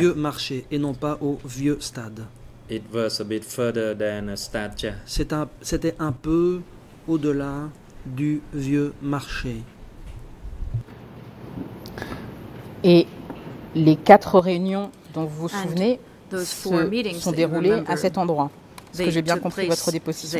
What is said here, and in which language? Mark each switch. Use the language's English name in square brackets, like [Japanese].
[French] vieux marché et non pas au vieux stade. [English] It was a bit further than a stade, yeah. [French] C'était un peu au-delà du vieux marché. Et les quatre réunions dont vous vous souvenez sont déroulées [English] remember, [French] à cet endroit. Est-ce que j'ai bien compris votre déposition?